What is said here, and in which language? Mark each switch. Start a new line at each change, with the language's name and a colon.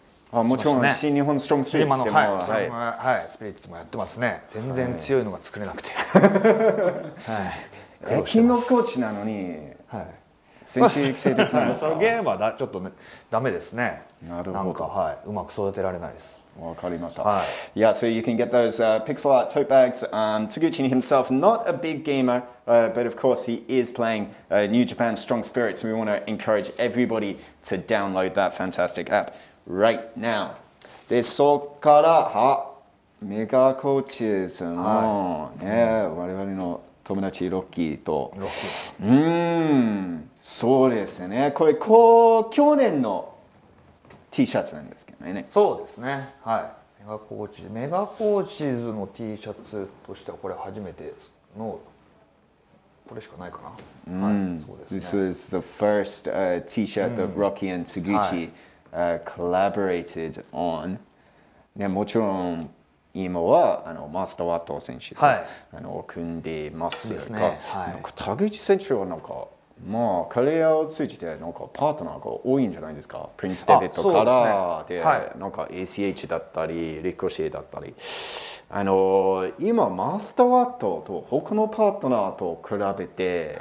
Japanese: しますね、あもちろん新日本ストロングスピリッツでも、はい、はいはい、スピリッツもやってますね、全然強いのが作れなくて、はい、キングコーチなのに、はい、選手育成できないですかそのゲームはちょっと、ね、ダメですね、なるほど、なんか、はい、うまく育てられないです、わかりました、はい、
English: Yeah, so you can get those pixel art tote bags、Taguchi himself, not a big gamer、but of course he is playing、New Japan Strong Spirit, so we want to encourage everybody to download that fantastic app right now.
Japanese: で、そこからはメガコーチズの、はい、ね、うん、我々の友達ロッキーと、ロッキー、そうですね、これこう去年のT シャツなんですけどね。そうですね。はい。メガコーチズ、メガコーチズの T シャツとしてはこれ初めての、これしかないかな。 Mm. はい。そうですね。
English: This was the first T shirt that Rocky and Taguchi collaborated on.
Japanese: ね、もちろん今はあのマスターワット選手と、はい、あの組んでますが、はい、田口選手はなんかまあカレアを通じてなんかパートナーが多いんじゃないですか。プリンス・デビットからで、ね、はい、なんか ACH だったりリコシエだったり、あの今マスターワットと他のパートナーと比べて、